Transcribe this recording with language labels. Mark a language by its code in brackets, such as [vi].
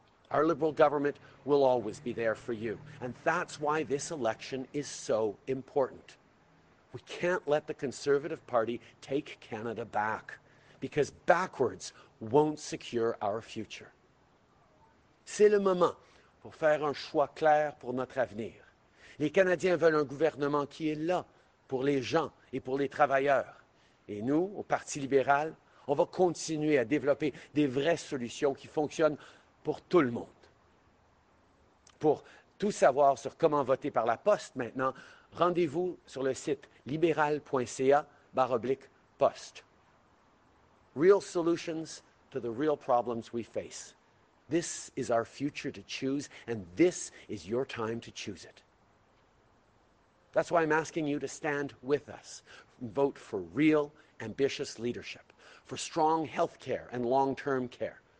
[en] Our Liberal government will always be there for you. And that's why this election is so important. We can't let the Conservative Party take Canada back, because backwards won't secure our future. [fr] C'est le moment pour faire un choix clair pour notre avenir. Les Canadiens veulent un gouvernement qui est là pour les gens et pour les travailleurs. Et nous, au Parti libéral, on va continuer à développer des vraies solutions qui fonctionnent pour tout le monde. Pour tout savoir sur comment voter par la poste maintenant, rendez-vous sur le site libéral.ca/poste. [en] Real solutions to the real problems we face. This is our future to choose, and this is your time to choose it. That's why I'm asking you to stand with us. Vote for real, ambitious leadership, for strong health care and long-term care,